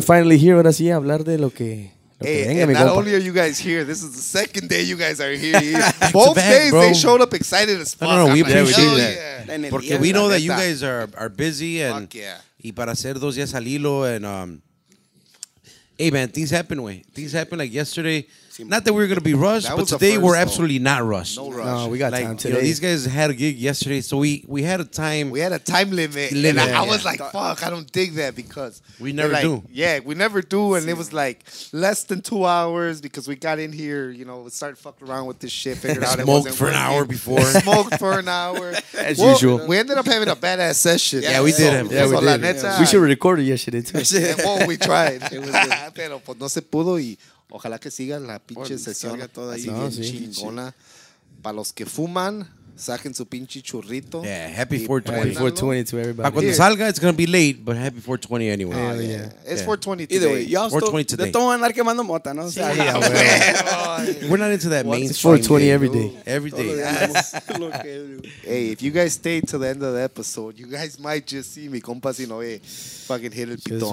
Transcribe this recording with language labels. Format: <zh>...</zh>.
<en>finally here,</en> <es>ahora sí, a hablar de lo que venga, mi compa.</es> <en>Not only are you guys here, this is the second day you guys are here. Both back, days, bro. They showed up excited as fuck. No, we appreciate that. Yeah. Porque we know that you guys are busy. And, yeah.</en> <es>Y para hacer dos días al hilo</es> <en>and... Hey, man, things happen, way. Things happen like yesterday. Not that we were going to be rushed, but today we're absolutely not rushed. No rush. No, we got time today. You know, these guys had a gig yesterday, so we had a time. We had a time limit. And I was like, fuck, I don't dig that because. We never do. Yeah, we never do. And it was like less than 2 hours because we got in here, you know, we started fucking around with this shit. Figured out it smoked for an hour before. Smoked for an hour. As usual. We ended up having a badass session. Yeah, we did. Yeah, we did. We should have recorded yesterday, too. Well, we tried.</en> <es>Pero pues no se pudo y. Ojalá que siga la pinche sesión toda así bien chingona. Para los que fuman, saquen su pinche churrito.</es> <en>Yeah, happy 420. Happy 420 to everybody.</en> <es>Para cuando salga,</es> <en>it's going to be late, but happy 420 anyway. Yeah. It's 420 today. Either way, y'all 420 today.</en> <es>De todo andar quemando mota, ¿no?</es> <en>Sí, yeah, yeah, well. We're not into that mainstream. It's 420 every day. Every day. Hey, if you guys stay till the end of the episode, you guys might just see mi compa Sinoe fucking hit el pitón.</en>